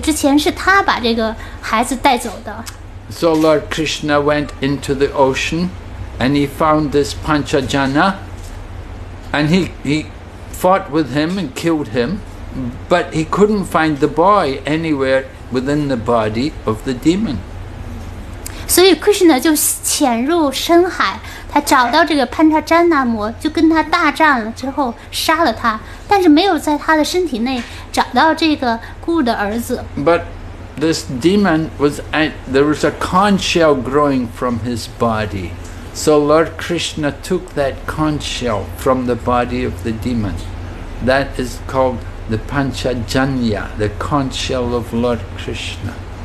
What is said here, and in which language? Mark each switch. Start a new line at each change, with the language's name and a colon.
Chinese: 但是海神回答说，哦，这个孩子不在我这里，在深海呢，有一个恶魔潘查詹娜，不久之前是他把这个孩子带走的。
English: So Lord Krishna went into the ocean, and he found this Panchajana, and he fought with him and killed him, but he couldn't find the boy anywhere within the body of the demon.
Chinese: 所以 Krishna 就潜入深海，他找到这个潘查詹那魔，就跟他大战了之后杀了他，但是没有在他的身体内找到这个孤的儿子。
English: But this demon was at, there was a conch shell growing from his body, so Lord Krishna took that conch shell from the body of the demon. That is called the Panchajanya, the conch shell of Lord Krishna.